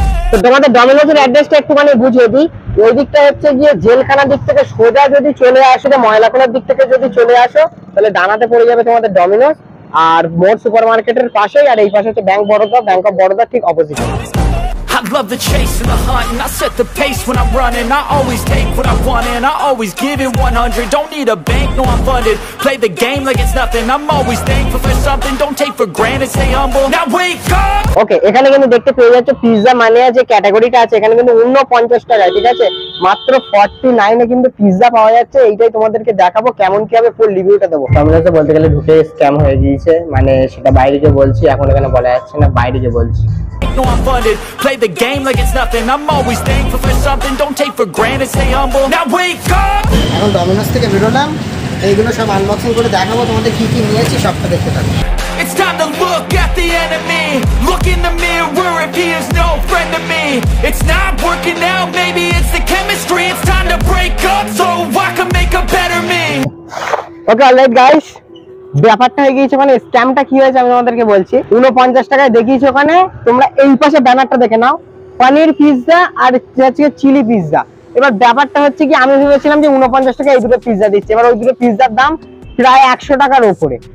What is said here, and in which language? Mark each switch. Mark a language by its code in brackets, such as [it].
[bn] তো তোমাদের ডমিনোসের অ্যাড্রেসটা একটুখানি বুঝিয়ে দিই। ওই দিকটা হচ্ছে গিয়ে জেলখানার দিক থেকে সোজা যদি চলে আসো, ময়লাকোনার দিক থেকে যদি চলে আসো, তাহলে ডানাতে পড়ে যাবে তোমাদের ডমিনোস, আর মোর সুপার মার্কেটের পাশেই, আর এই পাশে হচ্ছে bank Baroda, bank of Baroda ঠিক opposite. [en] I love the chase and the hunt, and I set the pace when I'm running. I always take what I want, and I always give it 100. Don't need a bank, no, I'm funded. Play the game like it's nothing. I'm always thankful for something. Don't take for granted, stay humble. Now wake up! [bn] Okay, এখানে কিন্তু দেখতে পেয়ে যাচ্ছে pizza মানিয়া যে ক্যাটাগরিটা আছে এখানে কিন্তু 49 টাকা, ঠিক আছে? মাত্র 49 এ কিন্তু পিজ্জা পাওয়া যাচ্ছে। এইটাই তোমাদেরকে দেখাবো কেমন কি হবে, ফুল রিভিউটা দেবো। আমরা তো বলতে গেলে ঢুকে স্ক্যাম হয়ে গিয়েছে, মানে সেটা বাইরে যে বলছি এখন এখানে বলা যাচ্ছে না, বাইরে যে বলছি। [en] No, I'm funded, play the game like it's nothing. I'm always thankful for something. Don't take for granted, stay humble. Now wake up! [bn] এখন ডমিনোস থেকে বেরোলাম, এইগুলো সব আনবক্সিং করে দেখাবো তোমাদের কি কি নিয়েছি সবটা দেখতে থাকো। [en] It's time to look at the enemy, look in the mirror if he is no friend to me. It's not working now, maybe it's the chemistry. It's time to break up so I can make a better me. Okay, all right guys, [bn] ব্যাপারটা হয়ে গিয়েছে, মানে স্ক্যামটা কি হয়েছে আমি তোমাদেরকে বলছি। 49 টাকায় দেখিয়েছি ওখানে, তোমরা এই পাশে ব্যানারটা দেখে নাও, পনির পিজ্জা আর হচ্ছে চিলি পিজ্জা। এবার ব্যাপারটা হচ্ছে কি, আমি ভেবেছিলাম যে 49 টাকায় এই দুটো পিজ্জা দিচ্ছে, এবার ওই দুটো পিজ্জার দাম প্রায় 100 টাকার উপরে।